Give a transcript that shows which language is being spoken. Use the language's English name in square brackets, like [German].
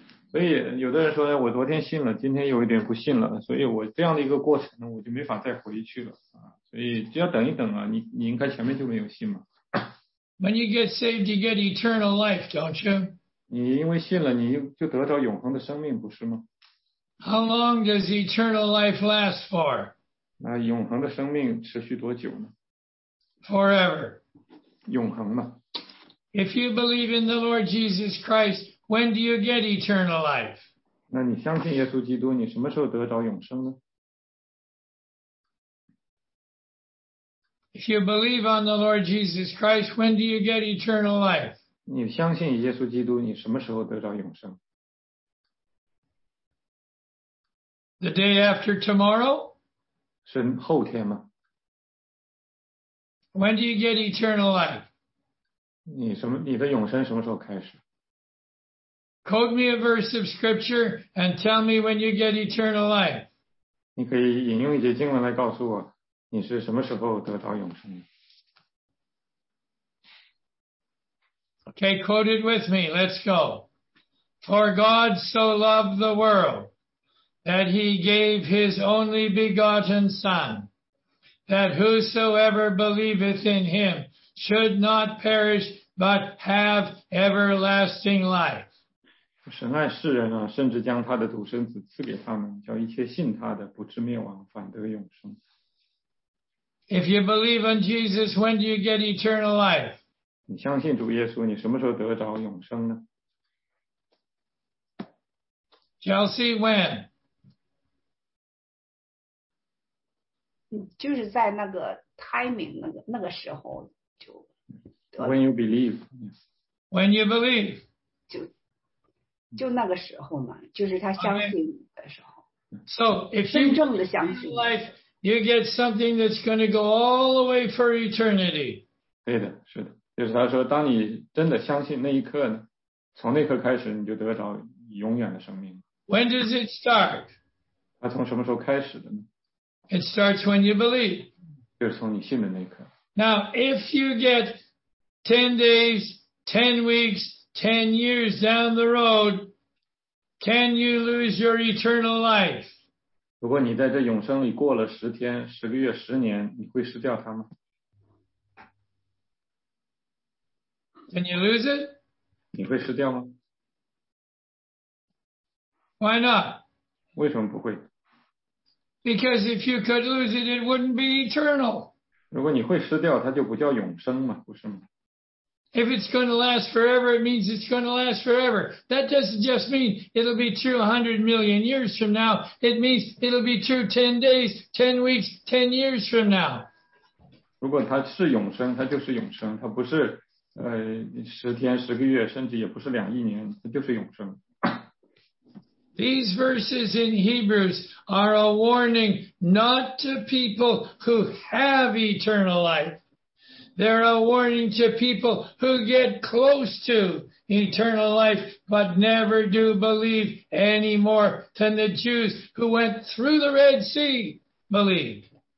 [Chinese] 所以有的人说，我昨天信了，今天有一点不信了，所以我这样的一个过程呢，我就没法再回去了。所以只要等一等啊，你应该前面就没有信嘛。 [English] When you get saved, you get eternal life, don't you? [Chinese] 你因为信了，你就得到永恒的生命，不是吗？ [English] How long does eternal life last for? [Chinese] 那永恒的生命持续多久呢？ [English] Forever. [Chinese] 永恒嘛。 [English] If you believe in the Lord Jesus Christ,When do you get eternal life? [Chinese] 那你相信耶稣基督，你什么时候得着永生呢？ [English] If you believe on the Lord Jesus Christ, when do you get eternal life? [Chinese] 你相信耶稣基督，你什么时候得着永生？ [English] The day after tomorrow? [Chinese] 是后天吗？ [English] When do you get eternal life? [Chinese] 你的永生什么时候开始？ [English] Quote me a verse of scripture and tell me when you get eternal life. [Chinese] 你可以引用一节经文来告诉我，你是什么时候得到永生的。 [English] Okay, quote it with me. Let's go. For God so loved the world that he gave his only begotten Son, that whosoever believeth in him should not perish but have everlasting life. [Chinese] 神爱世人啊，甚至将他的独生子赐给他们，叫一切信他的不至灭亡，反得永生。 [English] If you believe in Jesus, when do you get eternal life? [Chinese] 你相信主耶稣，你什么时候得着永生呢？ [English] Chelsea, when? [Chinese] 就是在那个 timing 那个时候就。 [English] When you believe. When you believe. [Chinese] 就那个时候嘛，就是他相信的时候。 [English] So if you [Chinese] 真正的相信 [English] life, you get something that's going to go all the way for eternity. [Chinese] 对的，是的，就是他说，当你真的相信那一刻呢，从那刻开始，你就得着永远的生命。 [English] When does it start? [Chinese] 它从什么时候开始的呢？ [English] It starts when you believe. [Chinese] 就是从你信的那一刻。 [English] Now, if you get 10 days, 10 weeks, 10 years down the road, can you lose your eternal life? [Chinese] 如果你在这永生里过了十天、十个月、十年，你会失掉它吗？ [English] Can you lose it? [Chinese] 你会失掉吗？ [English] Why not? [Chinese] 为什么不会？ [English] Because if you could lose it, it wouldn't be eternal. [Chinese] 如果你会失掉，它就不叫永生嘛，不是吗？ [English] If it's going to last forever, it means it's going to last forever. That doesn't just mean it'll be true 100 million years from now. It means it'll be true 10 days, 10 weeks, 10 years from now. [Chinese] 如果它是永生，它就是永生。它不是十天、十个月，甚至也不是两亿年，它就是永生。 [English] These verses in Hebrews are a warning not to people who have eternal life. They're a warning to people who get close to eternal life, but never do believe any more than the Jews who went through the Red Sea believed.